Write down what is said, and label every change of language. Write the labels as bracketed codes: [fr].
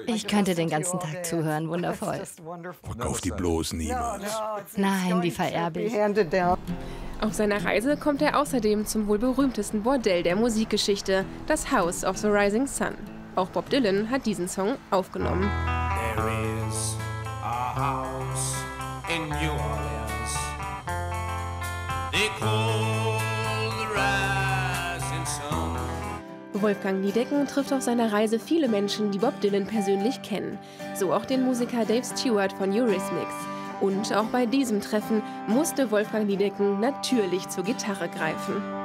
[de] Ich könnte den ganzen Tag zuhören, wundervoll. Verkauf die bloß niemals. Nein, die vererbe ich. Auf seiner Reise kommt er außerdem zum wohl berühmtesten Bordell der Musikgeschichte, das House of the Rising Sun. Auch Bob Dylan hat diesen Song aufgenommen. [en] There is a house in New Orleans. They call the rising sun. [de] Wolfgang Niedecken trifft auf seiner Reise viele Menschen, die Bob Dylan persönlich kennen. So auch den Musiker Dave Stewart von Eurythmics. Und auch bei diesem Treffen musste Wolfgang Niedecken natürlich zur Gitarre greifen.